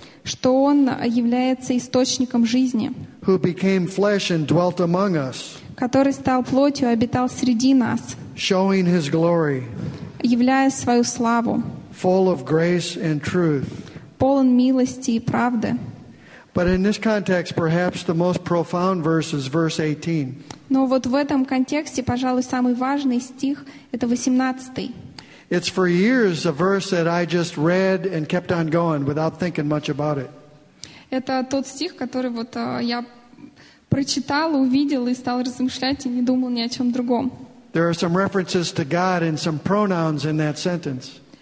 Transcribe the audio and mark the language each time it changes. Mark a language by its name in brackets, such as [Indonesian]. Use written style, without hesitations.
[Russian] Что он является источником жизни. [English] Who became flesh and dwelt among us. [Russian] Который стал плотью и обитал среди нас. [English] Showing his glory. [Russian] Являя свою славу. [English] Full of grace and truth. [Russian] Полон милости и правды. [English] But in this context, perhaps the most profound verse is verse 18. [Russian] Но вот в этом контексте, пожалуй, самый важный стих — это 18-й. [English] It's for years a verse that I just read and kept on going without thinking much about it. [Russian] Это тот стих, который вот я прочитал, увидел и стал размышлять и не думал ни о чем другом. [English] There are some references to God and some pronouns in that sentence.